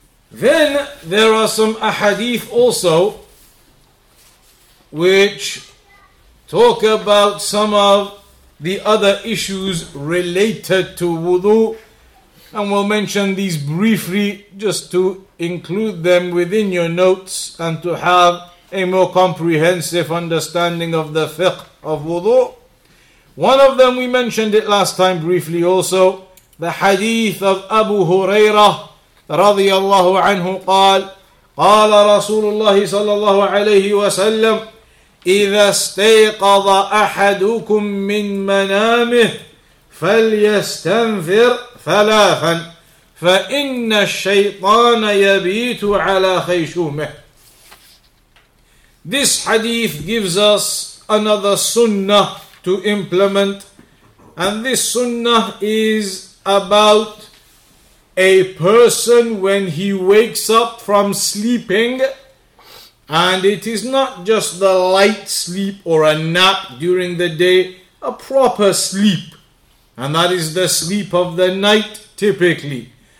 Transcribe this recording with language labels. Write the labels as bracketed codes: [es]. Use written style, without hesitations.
[en] Then there are some ahadith also which talk about some of the other issues related to wudu, and we'll mention these briefly just to include them within your notes and to have a more comprehensive understanding of the fiqh of wudu. One of them, we mentioned it last time briefly also, the hadith of Abu Hurairah [ar] رضي الله عنه قال قال رسول الله صلى الله عليه وسلم إذا استيقظ أحدكم من منامه فليستنفر ثلاثا فإن الشيطان يبيت على خيشومه. [en] This hadith gives us another sunnah to implement, and this sunnah is about a person when he wakes up from sleeping, and it is not just the light sleep or a nap during the day, a proper sleep, and that is the sleep of the night typically.